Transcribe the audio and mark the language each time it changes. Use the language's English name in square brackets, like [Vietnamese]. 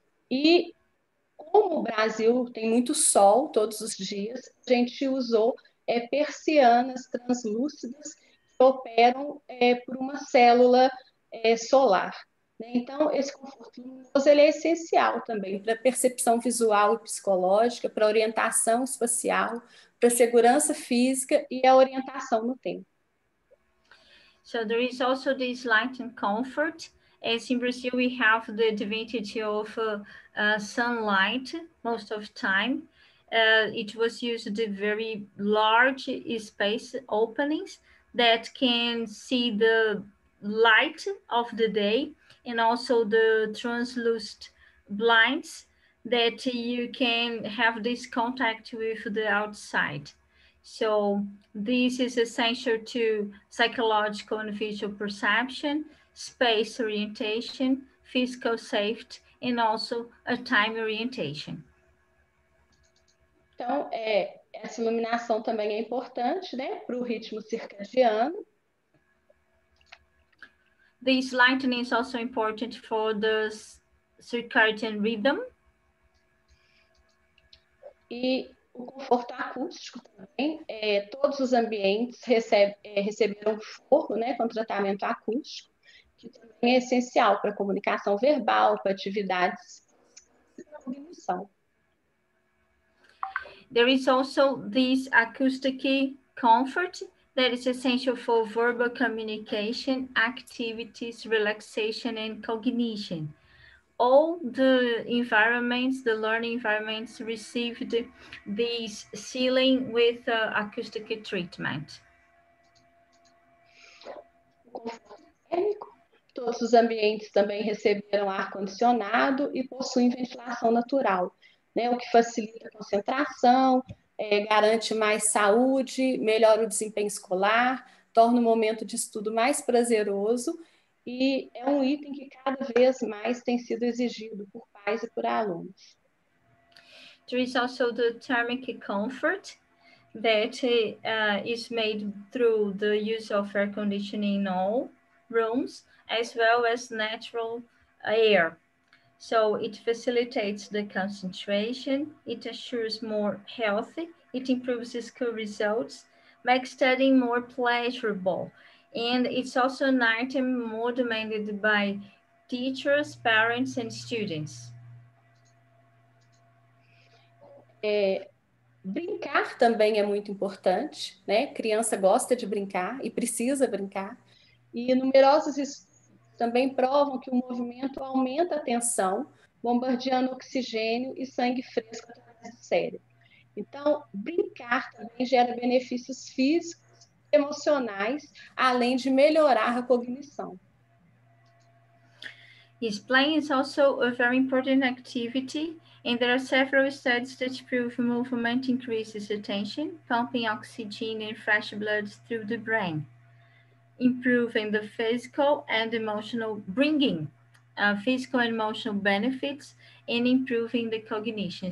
[Portuguese] E como o Brasil tem muito sol todos os dias, a gente usou persianas translúcidas que operam por uma célula solar. Então, esse conforto luminoso ele é essencial também para a percepção visual e psicológica, para a orientação espacial, para a segurança física e a orientação no tempo. [English] So there is also this light and comfort as in Brazil, we have the advantage of sunlight most of time. It was used the very large space openings that can see the light of the day, and also the translucent blinds that you can have this contact with the outside. So this is essential to psychological and visual perception, space orientation, physical safety, and also a time orientation. [Portuguese] Então, essa iluminação também é importante, né, para o ritmo circadiano. [English] This lighting is also important for the circadian rhythm. [Portuguese] E o conforto acústico também. Todos os ambientes receberam forro, né, com tratamento acústico, que também é essencial para a comunicação verbal, para atividades de cognição. [English] There is also this acoustic comfort that is essential for verbal communication, activities, relaxation, and cognition. All the environments, the learning environments, received this ceiling with acoustic treatment. [Portuguese] Todos os ambientes também receberam ar-condicionado e possuem ventilação natural. Né, o que facilita a concentração, garante mais saúde, melhora o desempenho escolar, torna o momento de estudo mais prazeroso e é um item que cada vez mais tem sido exigido por pais e por alunos. [English] There is also the thermic comfort that is made through the use of air conditioning in all rooms, as well as natural air. So it facilitates the concentration, it assures more healthy, it improves school results, makes studying more pleasurable. And it's also an item more demanded by teachers, parents, and students. [Portuguese] Brincar também é muito importante, né? Criança gosta de brincar e precisa brincar. E numerosos também provam que o movimento aumenta a tensão, bombardeando oxigênio e sangue fresco através do cérebro. Então, brincar também gera benefícios físicos e emocionais, além de melhorar a cognição. [English] Yes, playing is also a very important activity, and there are several studies that prove movement increases attention, pumping oxygen and fresh blood through the brain, improving the physical and emotional, bringing physical and emotional benefits and improving the cognition.